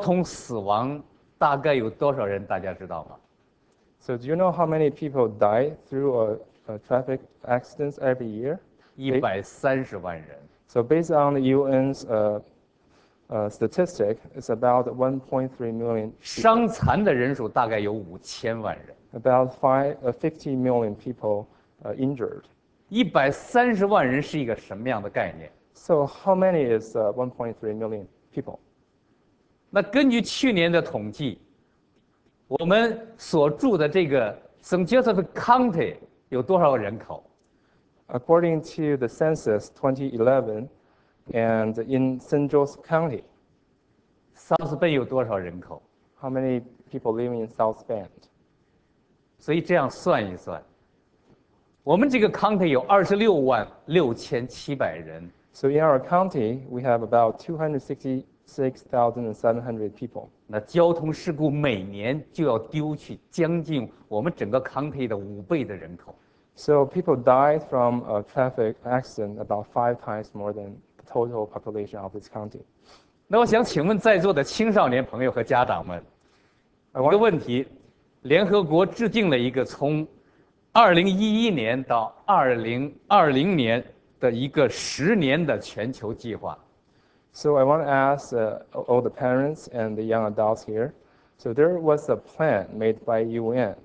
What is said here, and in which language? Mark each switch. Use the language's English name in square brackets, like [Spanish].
[Chinese] 根据联合国的资料，当今世界每年因道路交通死亡大概有多少人？大家知道吗？ [English] So do you know how many people die through a traffic accidents every year? [Chinese] 130万人。 [English] So based on the UN's statistic, it's about 1.3 million people. [Chinese] 伤残的人数大概有5000万人。 [English] About 50 million people injured. [Chinese] 130万人是一个什么样的概念？ [English] So how many is 1.3 million people? [Chinese] 那根据去年的统计， 我们所住的这个St. Joseph County 有多少人口？ [English] According to the census 2011, and in St. Joseph County, [Chinese] South Bend 有多少人口？ [English] How many people live in South Bend? [Chinese] 所以这样算一算， 我们这个 county 有26万6700人。 [English] So in our county, we have about 266,700 people. [Chinese] 那交通事故每年就要丢去将近我们整个 county 的5倍的人口。 [English] So people die from a traffic accident about 5 times more than the total population of this county. [Chinese] 那我想请问在座的青少年朋友和家长们一个问题：联合国制定了一个从2011年到2020年的一个10年的全球计划。 [English] So I want to ask all the parents and the young adults here. So there was a plan made by UN.